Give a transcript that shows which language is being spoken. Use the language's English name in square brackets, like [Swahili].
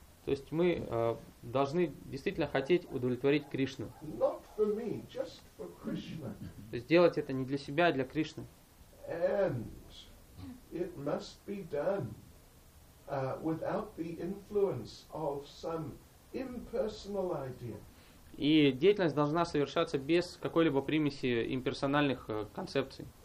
[Russian] То есть мы должны действительно хотеть удовлетворить Кришну. [English] Not for me, just for Krishna. [Russian] То есть делать это не для себя, а для Кришны. [English] And it must be done without the influence of some impersonal idea. [Russian] И деятельность должна совершаться без какой-либо примеси имперсональных концепций.